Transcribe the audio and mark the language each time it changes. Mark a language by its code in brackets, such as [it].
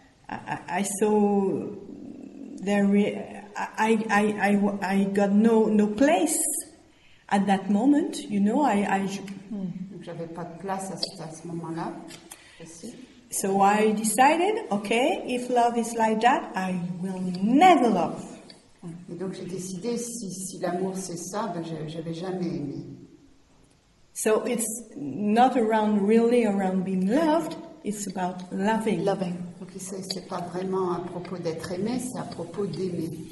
[en] I saw I got no place at that moment, you know, [fr] j'avais pas de place à ce moment-là. [en] So I decided, okay, if love is like that, I will never love. [fr] Et donc j'ai décidé si l'amour c'est ça, ben je vais jamais aimer. [en] So it's not around really around being loved, it's about loving. Loving. [fr] Donc c'est pas vraiment à propos d'être aimé, c'est à propos d'aimer.